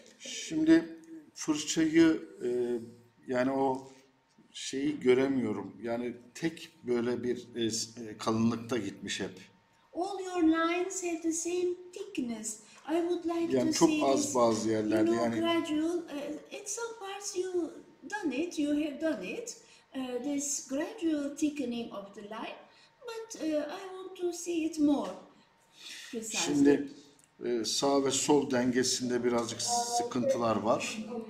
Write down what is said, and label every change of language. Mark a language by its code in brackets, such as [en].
[tr] Şimdi fırçayı yani o şeyi göremiyorum. Yani tek böyle bir kalınlıkta gitmiş hep. [en] All your lines have the same thickness. I would like [tr] yani [en] to [tr] çok [en] see [tr] az bazı yerlerde [en] you know, Gradual. At some parts you done it, you have done it. This gradual thickening of the line, but I want to see it more. [tr] Şimdi sağ ve sol dengesinde birazcık sıkıntılar var.